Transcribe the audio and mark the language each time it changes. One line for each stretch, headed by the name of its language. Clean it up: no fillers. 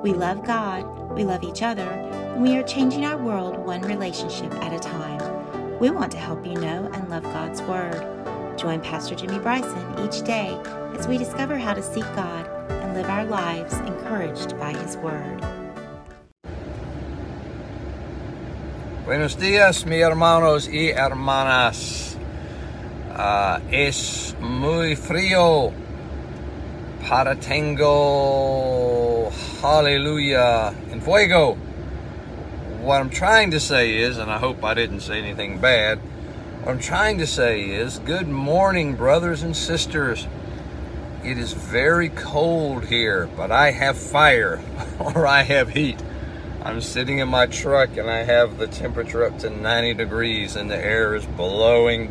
English: We love God, we love each other, and we are changing our world one relationship at a time. We want to help you know and love God's word. Join Pastor Jimmy Bryson each day as we discover how to seek God and live our lives encouraged by his word.
Spanish: Buenos dias, mi hermanos y hermanas. Es muy frío. Para tengo, hallelujah, en fuego.
English: What I'm trying to say is, and I hope I didn't say anything bad, what I'm trying to say is, good morning, brothers and sisters. It is very cold here, but I have fire, or I have heat. I'm sitting in my truck and I have the temperature up to 90 degrees and the air is blowing.